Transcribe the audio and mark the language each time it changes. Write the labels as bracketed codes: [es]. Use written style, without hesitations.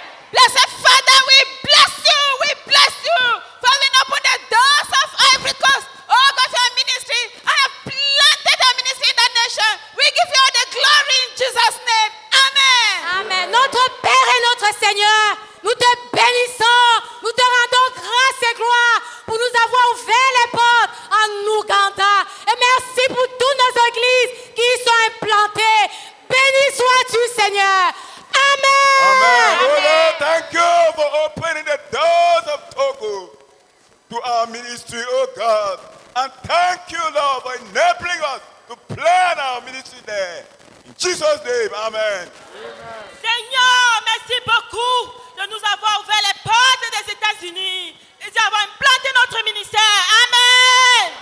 [en] Bless you, Father, we bless you, we bless you. For we open the doors of Ivory Coast. Oh, God, your ministry. We give you all the glory in Jesus' name. Amen. Amen. [fr] Notre Père et notre Seigneur, nous te bénissons, nous te rendons grâce et gloire pour nous avoir ouvert les portes en Ouganda. Et merci pour toutes nos églises qui y sont implantées. Béni sois-tu, Seigneur. Amen. Amen. [en] Amen. Oh Lord, thank you for opening the doors of Togo to our ministry, oh God. And thank you, Lord, for enabling us to plan our ministry there. In Jesus' name, amen. Amen. [fr] Seigneur, merci beaucoup de nous avoir ouvert les portes des États-Unis et d'avoir implanté notre ministère. Amen.